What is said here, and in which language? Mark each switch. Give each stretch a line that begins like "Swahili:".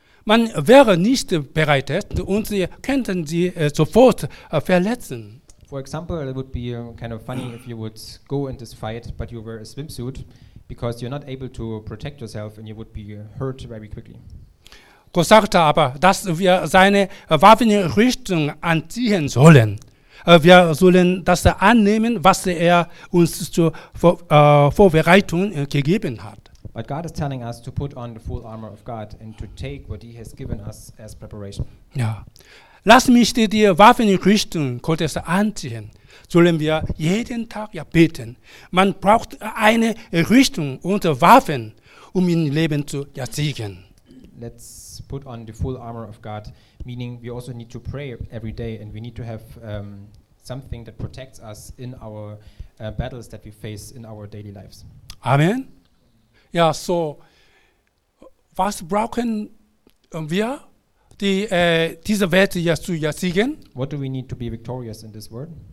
German: Man wäre nicht bereitet und sie könnten sie sofort verletzen.
English: For example, it would be kind of funny if you would go in this fight, but you wear a swimsuit, because you're not able to protect yourself and you would be hurt very quickly.
German: Gott sagte aber, dass wir seine Waffenrüstung anziehen sollen. Wir sollen das annehmen, was uns zur Vorbereitung gegeben hat.
English: But God is telling us to put on the full armor of God and to take what he has given us as preparation.
German: Ja. Lass mich die Waffenrüstung Gottes anziehen. Sollen wir jeden Tag beten. Man braucht eine Rüstung und Waffen, um im Leben zu siegen.
English: Let's put on the full armor of God, meaning we also need to pray every day and we need to have something that protects us in our battles that we face in our daily lives. Amen.
German: Ja, so was brauchen wir, diese Welt zu siegen?
English: What do we need to be victorious in this world?